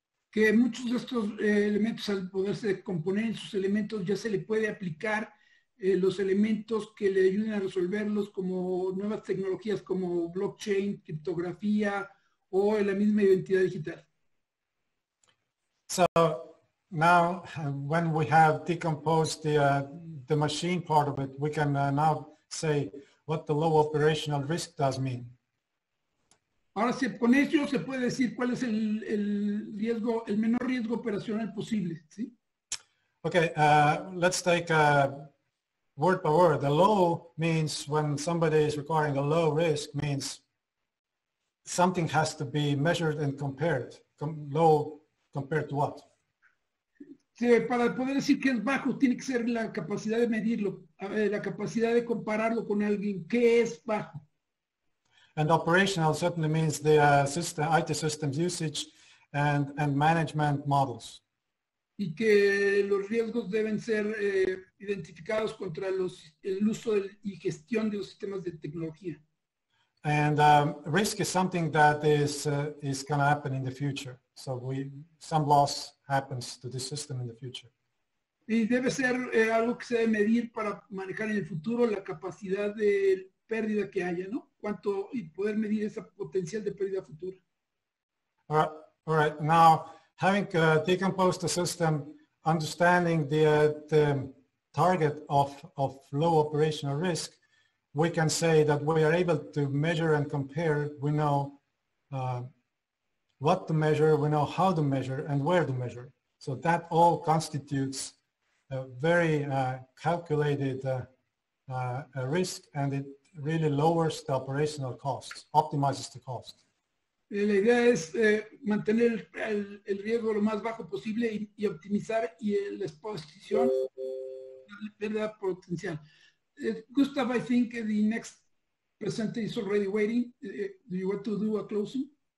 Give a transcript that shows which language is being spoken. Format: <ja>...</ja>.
<es>Que muchos de estos elementos al poderse componer en sus elementos ya se le puede aplicar los elementos que le ayuden a resolverlos como nuevas tecnologías como blockchain, criptografía o la misma identidad digital.</es> <en>So now when we have decomposed the machine part of it, we can now say what the low operational risk does mean.</en> <es>Ahora si con ello se puede decir cuál es el riesgo, el menor riesgo operacional posible, ¿sí?</es> <en>Okay, let's take word by word. The low means when somebody is requiring a low risk means something has to be measured and compared low compared to what?</en> <es>Sí, para poder decir que es bajo, tiene que ser la capacidad de medirlo, la capacidad de compararlo con alguien. ¿Qué es bajo?</es> <en>And operational certainly means the system, IT systems usage and management models.</en> <es>Y que los riesgos deben ser identificados contra los, el uso del, y gestión de los sistemas de tecnología.</es> <en>And risk is something that is going to happen in the future. So we some loss happens to the system in the future.</en> <es>Y debe ser algo que se debe medir para manejar en el futuro la capacidad de pérdida que haya, ¿no? Cuánto y poder medir esa potencial de pérdida futura.</es> <en>All right. Now, having decomposed the system, understanding the target of low operational risk, we can say that we are able to measure and compare. We know what to measure, we know how to measure, and where to measure. So that all constitutes a very calculated a risk, and it really lowers the operational costs, optimizes the cost.</en> <es>La idea es mantener el riesgo lo más bajo posible y optimizar y la exposición pérdida potencial.</es> <en>Gustav, I think the next presenter is already waiting. Do you want to do a closing?</en>